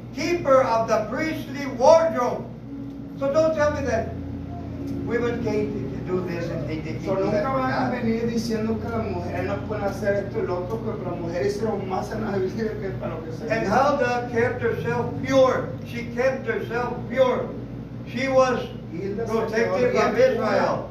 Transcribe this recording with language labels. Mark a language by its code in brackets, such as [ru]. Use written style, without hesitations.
[en] Keeper of the priestly wardrobe. So don't tell me that women can't do this and they didn't. [es] So nunca van a venir diciendo que las mujeres no pueden hacer esto y lo otro, que las mujeres hicieron más en la Biblia que para lo que se. [en] And Hilda kept herself pure. She kept herself pure. She was protected of Israel.